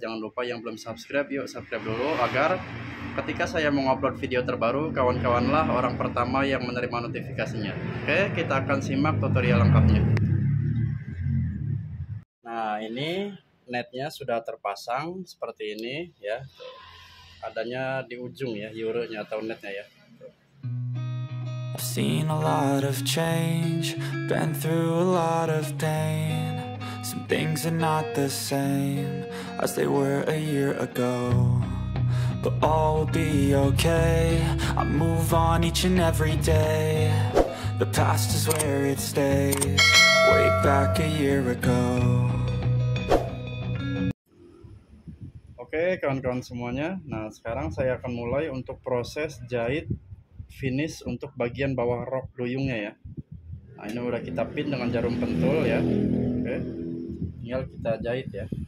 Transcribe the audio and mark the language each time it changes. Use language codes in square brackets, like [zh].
[id] Jangan lupa yang belum subscribe, yuk subscribe dulu agar ketika saya mengupload video terbaru, kawan-kawanlah orang pertama yang menerima notifikasinya. Oke, kita akan simak tutorial lengkapnya. Nah, ini netnya sudah terpasang seperti ini ya. Adanya di ujung ya, yurenya atau netnya ya. [en] I've seen a lot of change, been through a lot of pain. Some things are not the same as they were a year ago. But all will be okay, I move on each and every day. The past is where it stays, way back a year ago. [id] Oke, kawan-kawan semuanya. Nah, sekarang saya akan mulai untuk proses jahit finish untuk bagian bawah rok doyungnya ya. Nah, ini udah kita pin dengan jarum pentul ya. Oke. Tinggal kita jahit ya.